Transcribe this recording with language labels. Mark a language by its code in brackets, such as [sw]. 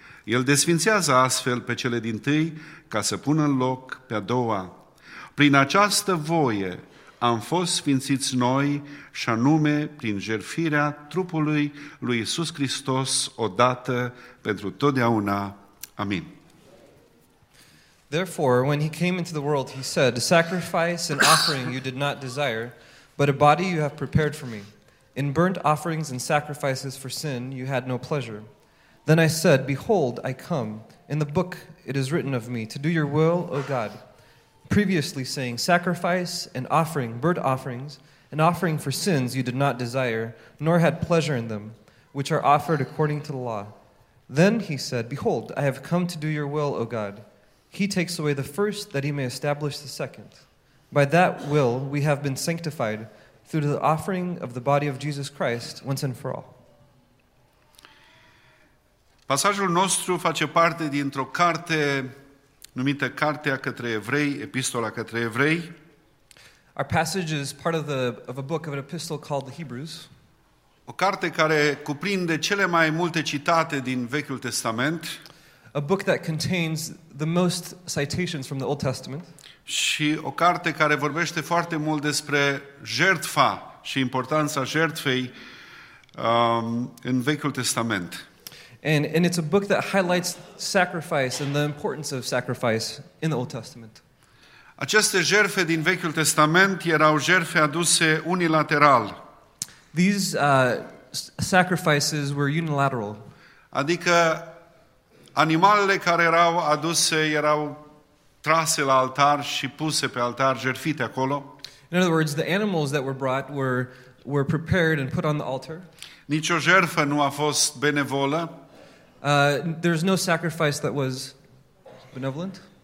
[ro] El desfințează astfel pe cele din tâi ca să pună în loc pe a doua. Prin această voie am fost sfințiți noi, și anume prin jertfirea trupului lui Iisus Hristos odată pentru totdeauna. Amin. [en] Therefore, when he came into the world, he said, Sacrifice and offering you did not desire, but a body you have prepared for me. In burnt offerings and sacrifices for sin, you had no pleasure. Then I said, Behold, I come. In the book it is written of me, to do your will, O God. Previously saying, Sacrifice and offering, burnt offerings, and offering for sins you did not desire, nor had pleasure in them, which are offered according to the law. Then he said, Behold, I have come to do your will, O God. He takes away the first that he may establish the second. By that will we have been sanctified through the offering of the body of Jesus Christ once and for all. [ro] Pasajul nostru face parte dintr-o carte numită Cartea către Evrei, Epistola către Evrei. [en] Our passage is part of a book of an epistle called the Hebrews. [ro] O carte care cuprinde cele mai multe citate din Vechiul Testament. [en] A book that contains the most citations from the Old Testament. [ro] Și o carte care vorbește foarte mult despre jertfa și importanța jertfei în Vechiul Testament. [en] And it's a book that highlights sacrifice and the importance of sacrifice in the Old Testament. [ro] Aceste jertfe din Vechiul Testament erau jertfe aduse unilateral. [en] These sacrifices were unilateral. [ro] Adică animalele care erau aduse erau trase la altar și puse pe altar, jertfite acolo. [en] In other words, the animals that were brought were prepared and put on the altar. [ro] Nicio jertfă nu a fost benevolă. [en] There's no sacrifice that was benevolent.